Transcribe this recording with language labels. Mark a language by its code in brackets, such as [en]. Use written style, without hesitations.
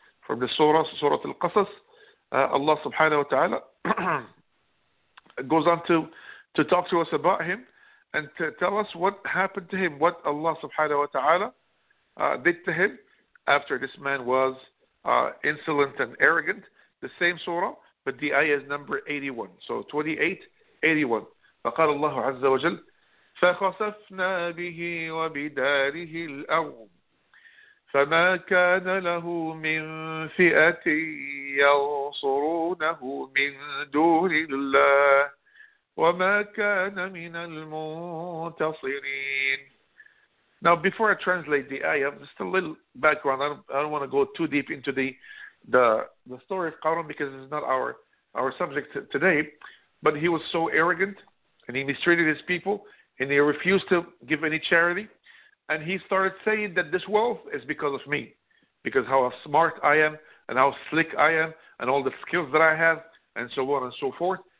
[en] From the surah Al-Qasas, Allah subhanahu wa ta'ala goes on to talk to us about him and to tell us what happened to him, what Allah subhanahu wa ta'ala did to him after this man was insolent and arrogant. The same surah, but the ayah is number 81. So 28:81. [ar] فقال الله عز وجل فخسفنا به وبداره الأرض فما كان له من فئة ينصرونه من دون الله وما كان من المنتصرين. [en] Now, before I translate the ayah, just a little background. I don't want to go too deep into the story of Qarun, because it's not our subject today. But he was so arrogant, and he mistreated his people, and he refused to give any charity. And he started saying that this wealth is because of me, because how smart I am, and how slick I am, and all the skills that I have, and so on and so forth.